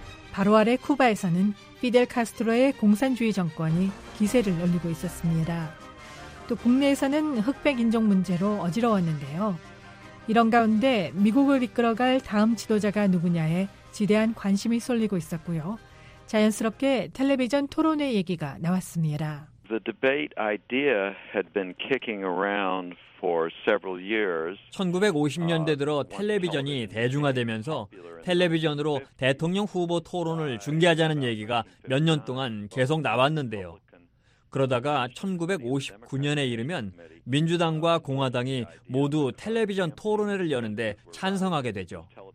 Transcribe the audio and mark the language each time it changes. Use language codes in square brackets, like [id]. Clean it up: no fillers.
[ko] 바로 아래 쿠바에서는 피델 카스트로의 공산주의 정권이 기세를 올리고 있었습니다. 또 국내에서는 흑백 인종 문제로 어지러웠는데요. 이런 가운데 미국을 이끌어갈 다음 지도자가 누구냐에 지대한 관심이 쏠리고 있었고요. 자연스럽게 텔레비전 토론회 얘기가 나왔습니다. [en] The debate idea had been kicking around for several years. [ko] 1950년대 들어 텔레비전이 대중화되면서 텔레비전으로 대통령 후보 토론을 중계하자는 얘기가 몇 년 동안 계속 나왔는데요. 그러다가 1959년에 이르면 민주당과 공화당이 모두 텔레비전 토론회를 여는데 찬성하게 되죠.